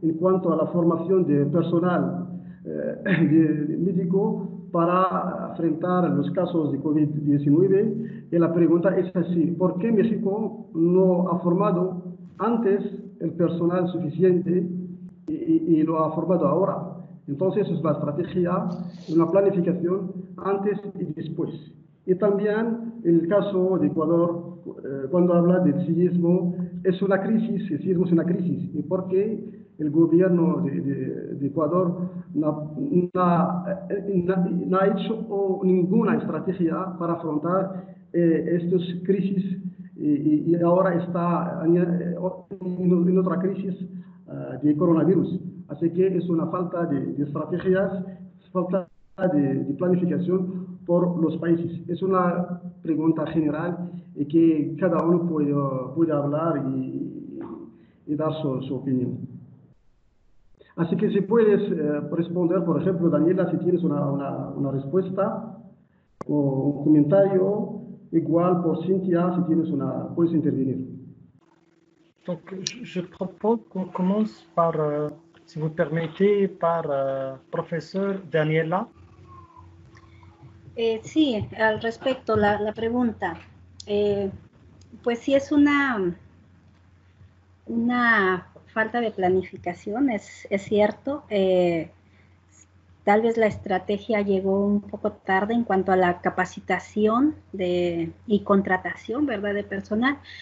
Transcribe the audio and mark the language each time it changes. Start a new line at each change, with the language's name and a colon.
French: en quant à la formation des personnels médicaux pour affronter les cas de COVID-19?
Spanish: Et la pregunta es así: ¿por qué México no ha formado antes el personal suficiente y lo ha formado ahora? Entonces es la estrategia, una planificación antes y después. Y también el caso de Ecuador, cuando habla del sismo, es una crisis, el sismo es una crisis. ¿Y por qué el gobierno de Ecuador no ha hecho ninguna estrategia para afrontar estas crisis y ahora está en otra crisis de coronavirus? Así que es una falta de estrategias, falta de planificación por los países. Es una pregunta general y que cada uno puede hablar y dar su opinión. Así que si puedes responder, por ejemplo, Daniela, si tienes una respuesta o un comentario. Igual
French: pour Cynthia, si tu veux pouvoir intervenir. Donc, je propose qu'on commence par, si vous permettez, par professeur Daniela.
Spanish: Sí, al respecto, la pregunta. Pues sí, es una falta de planificación, es cierto. Tal vez la estrategia llegó un poco tarde en cuanto a la capacitación y contratación, ¿verdad?, de personal.